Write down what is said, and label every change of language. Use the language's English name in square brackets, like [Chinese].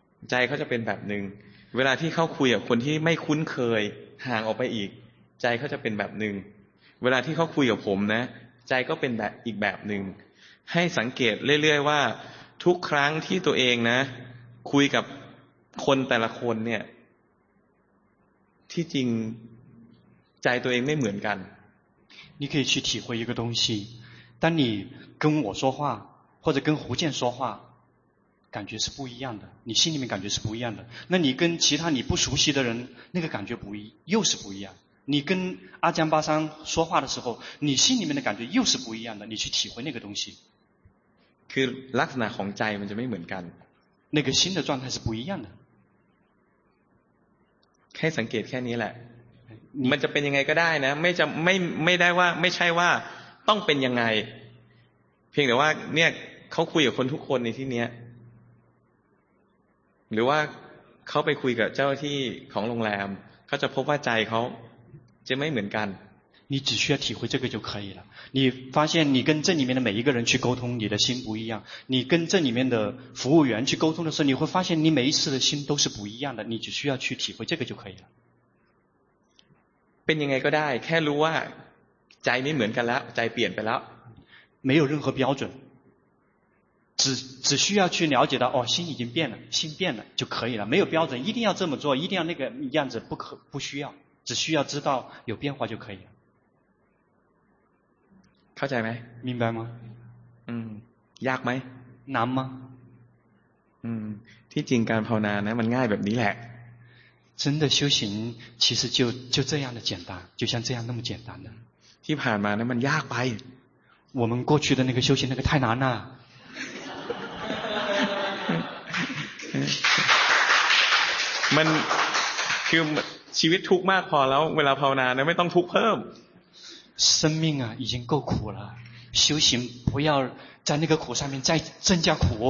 [Thai] ใจเขาจะเป็นแบบนึงเวลาที่เขาคุยกับคนที่ไม่คุ้นเคยห่างออกไปอีกใจเขาจะเป็นแบบนึงเวลาที่เขาคุยกับผมนะใจก็เป็นแบบอีกแบบนึงให้สังเกตเรื่อยๆว่าทุกครั้งที่ตัวเองนะคุยกับคนแต่ละคนเนี่ยที่จริงใจตัวเองไม่เหมือนกัน [Chinese] 你可以去体会一个东西当你跟我说话或者跟胡健说话感觉是不一样的你心里面感觉是不一样的那你跟其他你不熟悉的人那个感觉不一又是不一样你跟阿江巴桑说话的时候你心里面的感觉又是不一样的你去体会那个东西 [Thai] คือลักษณะของใจมันจะไม่เหมือนกัน [Chinese] 那个心的状态是不一样的 [Thai] แค่สังเกตแค่นี้แหละมันจะเป็นยังไงก็ได้นะไม่จะไม่ได้ว่าไม่ใช่ว่าต้องเป็นยังไงเพียงแต่ว่าเนี่ยเขาคุยกับคนทุกคนในที่เนี้ยหรือว่าเขาไปคุยกับเจ้าที่ของโรงแรมเขาจะพบว่าใจเขาจะไม่เหมือนกัน [Chinese] 你只需要体会这个就可以了你发现你跟这里面的每一个人去沟通你的心不一样你跟这里面的服务员去沟通的时候你会发现你每一次的心都是不一样的你只需要去体会这个就可以了 [Thai] เป็นยังไงก็ได้แค่รู้ว่าใจไม่เหมือนกันแล้วใจเปลี่ยนไปแล้ว [Chinese] 没有任何标准只需要去了解到哦，心已经变了，心变了就可以了，没有标准，一定要这么做，一定要那个样子，不需要，只需要知道有变化就可以了。考仔没？明白吗？压没？难吗？ [Thai] ที่จริงการภาวนาเนี่ยมันง่ายแบบนี้แหละ。 [Chinese] 真的修行其实就这样的简单，就像这样那么简单的。 [Thai] ที่ผ่านมาเนี่ยมันยากไป。 [Chinese] 我们过去的那个修行那个太难了。 [Thai] มันคือชีวิตทุกข์มากพอแล้วเวลาภาวนาเนี่ยไม่ต้องทุกข์เพิ่ม [Chinese] 生命啊已经够苦了修行不要在那个苦上面再增加苦